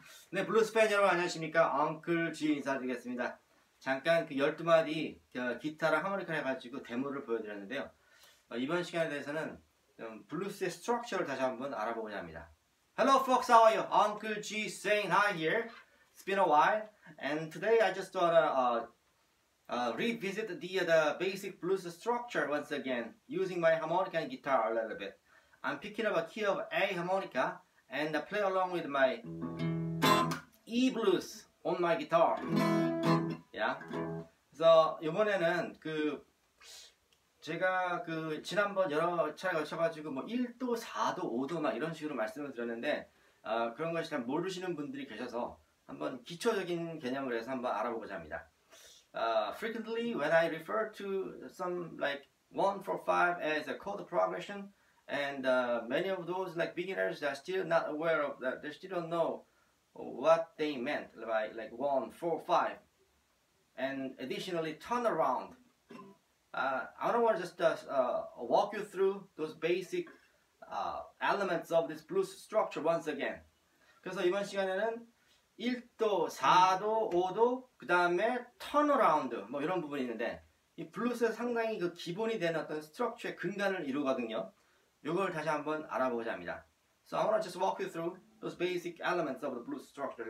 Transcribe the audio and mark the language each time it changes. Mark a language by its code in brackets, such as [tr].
[ko] 네, 블루스 팬 여러분 안녕하십니까? 엉클 G 인사드리겠습니다. 잠깐 그 12마디 기타랑 하모니카 해가지고 데모를 보여드렸는데요. 이번 시간에 대해서는 블루스의 스트럭처를 다시 한번 알아보고자 합니다. [en] Hello folks, how are you? Uncle G saying hi here. It's been a while. And today I just wanna revisit the basic blues structure once again using my harmonica and guitar a little bit. I'm picking up a key of A harmonica and I play along with my E blues on my guitar. Yeah. [ko] So 이번에는 그 제가 그 지난번 여러 차례 걸쳐가지고 뭐 1도, 4도, 5도 막 이런 식으로 말씀을 드렸는데 그런 것이 잘 모르시는 분들이 계셔서 한번 기초적인 개념을 해서 한번 알아보고자 합니다. [en] Frequently when I refer to some like 1-4-5 as a chord progression and many of those like beginners are still not aware of that. They still don't know what they meant by like 1-4-5 and additionally turn around. I don't want to just walk you through those basic elements of this blues structure once again. [ko] 그래서 이번 시간에는 1도, 4도, 5도, 그 다음에 turnaround 뭐 이런 부분이 있는데 이 블루스의 상당히 그 기본이 되는 어떤 스트럭처의 근간을 이루거든요. 이걸 다시 한번 알아보고자 합니다. [en] So I want to just walk you through those basic elements of the blues structure.